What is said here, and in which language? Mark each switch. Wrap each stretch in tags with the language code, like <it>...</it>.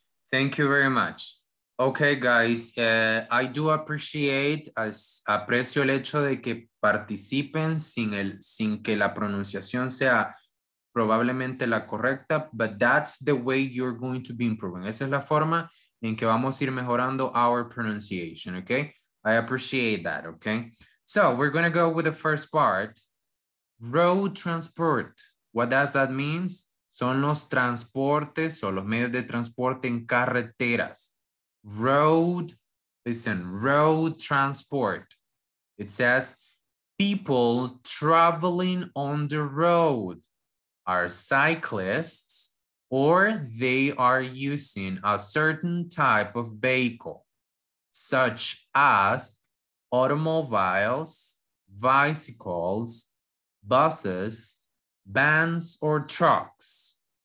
<en>Thank you very much. Okay, guys, I do appreciate, aprecio el hecho de que participen sin que la pronunciación sea probablemente la correcta, but that's the way you're going to be improving.</en> <es>Esa es la forma en que vamos a ir mejorando our pronunciation, okay?</es> <en>I appreciate that, okay? So, we're going to go with the first part. Road transport. What does that mean?</en> <es>Son los transportes o los medios de transporte en carreteras.</es> <en>Road, listen, road transport. It says people traveling on the road are cyclists or they are using a certain type of vehicle, such as automobiles, bicycles, buses, vans or trucks.</en>